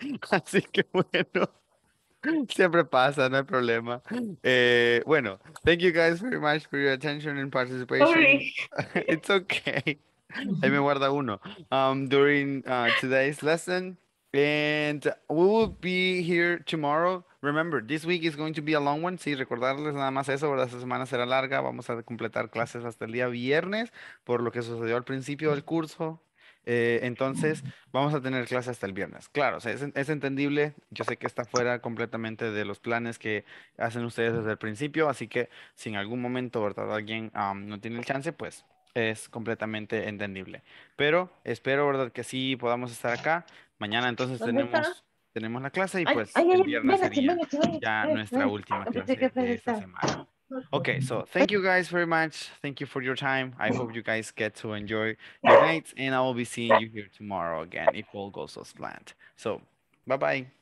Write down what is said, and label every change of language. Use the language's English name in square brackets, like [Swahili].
[Spanish] así que bueno, siempre pasa, no hay problema. [English] Bueno, thank you guys very much for your attention and participation. Sorry. It's okay. [Spanish] Ahí me guarda uno. [English] During today's lesson. And we will be here tomorrow. Remember, this week is going to be a long one. [Spanish] Sí, recordarles nada más eso, ¿verdad? Esta semana será larga. Vamos a completar clases hasta el día viernes, por lo que sucedió al principio del curso. Entonces, vamos a tener clases hasta el viernes. Claro, o sea, es entendible. Yo sé que está fuera completamente de los planes que hacen ustedes desde el principio. Así que, si en algún momento, ¿verdad? Alguien no tiene el chance, pues... es completamente entendible. Pero espero, ¿verdad?, que sí podamos estar acá. Mañana entonces tenemos la clase y pues el viernes sería nuestra última clase de esta semana. [English] Okay, so thank you guys very much. Thank you for your time. I hope you guys get to enjoy your night and I will be seeing you here tomorrow again if all goes as planned. So, bye-bye.